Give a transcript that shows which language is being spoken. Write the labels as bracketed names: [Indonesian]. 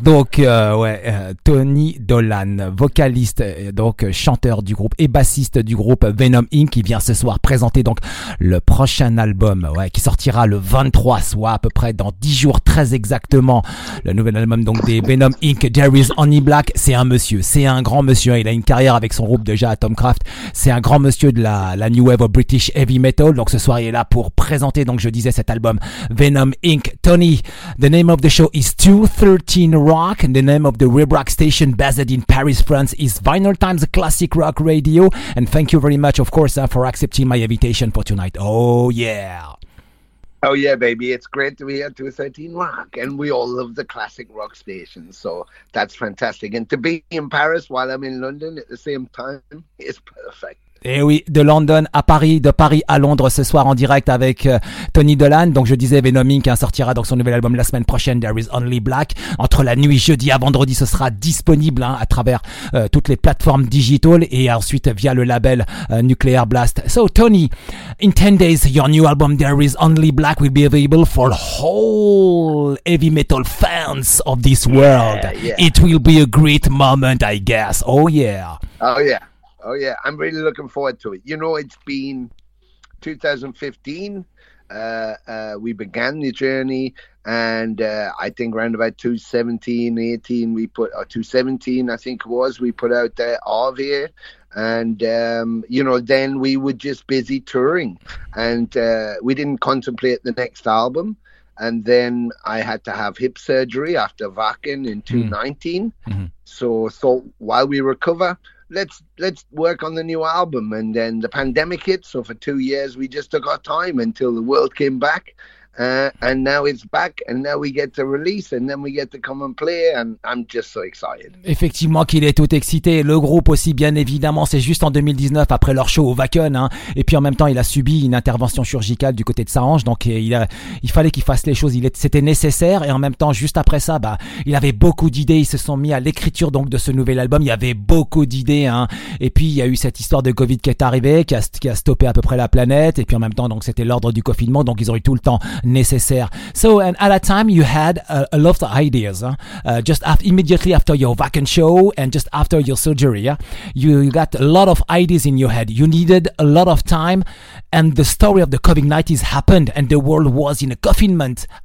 [French] Donc, Tony Dolan, vocaliste, donc chanteur du groupe et bassiste du groupe Venom Inc., qui vient ce soir présenter donc le prochain album, ouais, qui sortira le 23, soit à peu près dans 10 jours, très exactement. Le nouvel album donc des Venom Inc., There is Only Black. C'est un monsieur, c'est un grand monsieur. Il a une carrière avec son groupe déjà, Atomcraft. C'est un grand monsieur de la New Wave of British Heavy Metal. Donc ce soir, il est là pour présenter, donc je disais, cet album Venom Inc. [English] Tony, the name of the show is 213 Rock. And the name of the Rebrock Station based in Paris, France is Vinyl Times Classic Rock Radio. And thank you very much, of course, for accepting my invitation for tonight. Oh, yeah. Oh yeah, baby, it's great to be at 213 Rock, and we all love the classic rock station, so that's fantastic. And to be in Paris while I'm in London at the same time is perfect. [French] Eh oui, de London à Paris, de Paris à Londres ce soir en direct avec Tony Dolan. Donc je disais, Venom Inc. sortira donc son nouvel album la semaine prochaine, There is Only Black. Entre la nuit jeudi à vendredi, ce sera disponible à travers toutes les plateformes digitales et ensuite via le label Nuclear Blast. [English] So Tony, in 10 days, your new album There is Only Black will be available for whole heavy metal fans of this world. Yeah, yeah. It will be a great moment, I guess. Oh yeah. Oh yeah. Oh, yeah, I'm really looking forward to it. You know, it's been 2015. We began the journey, and I think around about 2017, 18, we put, or 2017, I think it was, we put out our Arve, And, you know, then we were just busy touring. And we didn't contemplate the next album. And then I had to have hip surgery after Wacken in 2019. Mm-hmm. So thought, while we recover, let's work on the new album. And then the pandemic hit. So for 2 years, we just took our time until the world came back. And now it's back, and now we get to release, and then we get to come and play, and I'm just so excited. [French] Effectivement qu'il est tout excité, le groupe aussi bien évidemment. C'est juste en 2019 après leur show au Wacken, hein. Et puis en même temps il a subi une intervention chirurgicale du côté de sa hanche, donc il fallait qu'il fasse les choses, c'était nécessaire. Et en même temps juste après ça, bah il avait beaucoup d'idées, ils se sont mis à l'écriture donc de ce nouvel album. Il y avait beaucoup d'idées, hein. Et puis il y a eu cette histoire de Covid qui est arrivée, qui a stoppé à peu près la planète, et puis en même temps donc c'était l'ordre du confinement, donc ils ont eu tout le temps necessary. [English] So, and at that time, you had a lot of ideas. Huh? Immediately after your Wacken show and just after your surgery, yeah? you got a lot of ideas in your head. You needed a lot of time, and the story of the COVID-19 happened, and the world was in a confinement.